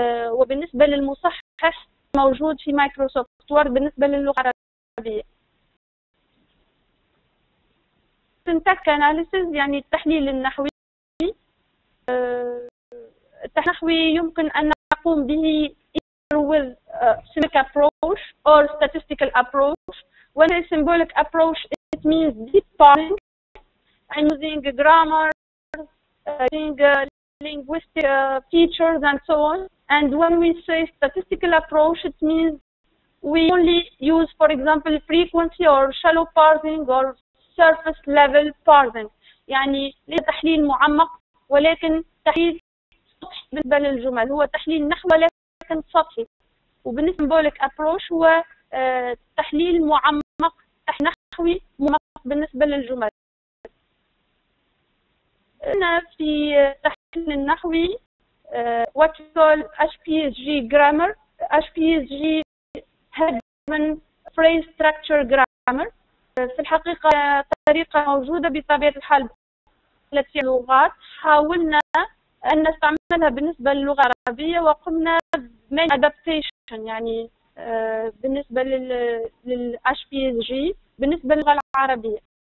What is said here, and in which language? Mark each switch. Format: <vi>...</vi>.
<ar>وبالنسبة للمصحح موجود في مايكروسوفت وورد بالنسبة للغة العربية.</ar> <en>syntactic analysis</en> <ar>يعني التحليل النحوي. التحليل النحوي يمكن أن نقوم به</ar> <en>with symbolic approach or statistical approach. When a symbolic approach, it means deep parsing. I'm using grammar, using linguistic features and so on. And when we say statistical approach, it means we only use, for example, frequency or shallow parsing or surface level parsing.</en> <ar>يعني لا تحليل معمق ولكن تحليل سطحي بالنسبة للجمل، هو تحليل نحو ولكن سطحي. وبالنسبة</ar> <en>symbolic approach</en> <ar>هو تحليل معمق نحوي معمق بالنسبة للجمل. هنا في تحليل النحوي</ar> <en>what we call HPSG grammar. HPSG Hedman phrase structure grammar.</en> <ar>في الحقيقة طريقة موجودة بطبيعة الحال التي اللغات حاولنا أن نستعملها بالنسبة للغة العربية وقمنا بمن adaptation يعني بالنسبة لل HPSG بالنسبة للغة العربية.</ar>